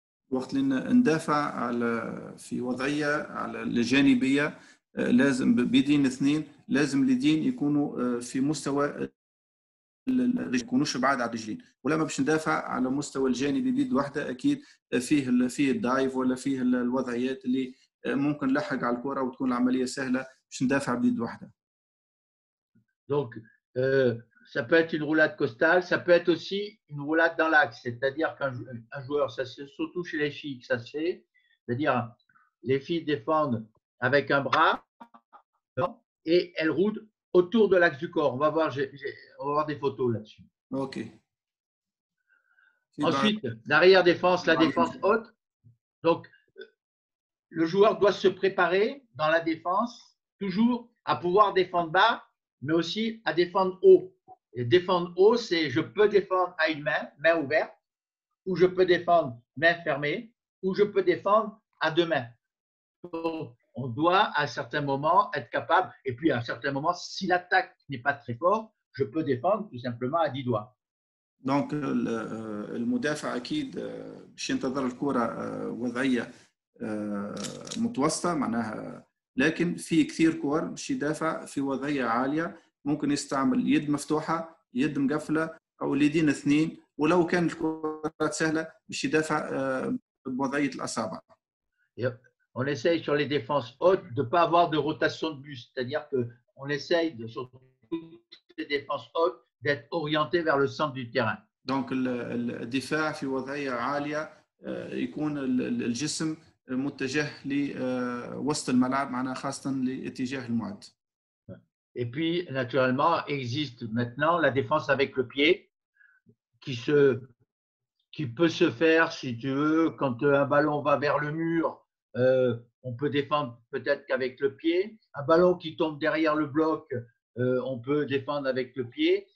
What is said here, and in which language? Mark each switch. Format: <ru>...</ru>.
<ar>وقت اللي ندافع على في وضعية على الجانبية لازم بيدين اثنين لازم اليدين يكونوا في مستوى الرجل يكونوش بعاد على الرجلين ولما باش ندافع على مستوى الجانبي بيد واحدة اكيد فيه الدايف ولا فيه الوضعيات اللي ممكن لحق على الكرة وتكون العملية سهلة باش ندافع بيد واحدة.</ar> <fr>Donc ça peut être une roulade costale, ça peut être aussi une roulade dans l'axe, c'est-à-dire qu'un joueur, ça se surtout chez les filles que ça se fait, c'est-à-dire les filles défendent avec un bras et elle roule autour de l'axe du corps. On va voir des photos là-dessus.</fr> <en>Ok.</en> <fr>Ensuite, l'arrière-défense, la défense haute. Donc, le joueur doit se préparer dans la défense, toujours à pouvoir défendre bas, mais aussi à défendre haut. Et défendre haut, c'est je peux défendre à une main, main ouverte, ou je peux défendre main fermée, ou je peux défendre à deux mains. Donc, on doit à certains moments être capable, et puis à certains moments, si l'attaque n'est pas très forte, je peux défendre tout simplement à 10 doigts.</fr> <ar>دونك المدافع اكيد باش ينتظر الكره وضعيه متوسطه معناها لكن في كثير كور باش يدافع في وضعيه عاليه ممكن يستعمل يد مفتوحه يد مقفله او اليدين اثنين ولو كان الكره سهله باش يدافع بوضعيه الاصابع</ar> <en>yep.</en> <fr>On essaye sur les défenses hautes de pas avoir de rotation de buste, c'est-à-dire que on essaye de sur toutes les défenses hautes d'être orienté vers le centre du terrain. Donc le défense</fr> <ar>في وضعية عالية يكون الجسم متجه لوسط الملعب معناها خاصة لاتجاه المعد.</ar> <fr>Et puis naturellement existe maintenant la défense avec le pied qui peut se faire si tu veux quand un ballon va vers le mur, on peut défendre peut-être qu'avec le pied, un ballon qui tombe derrière le bloc, on peut défendre avec le pied.</fr>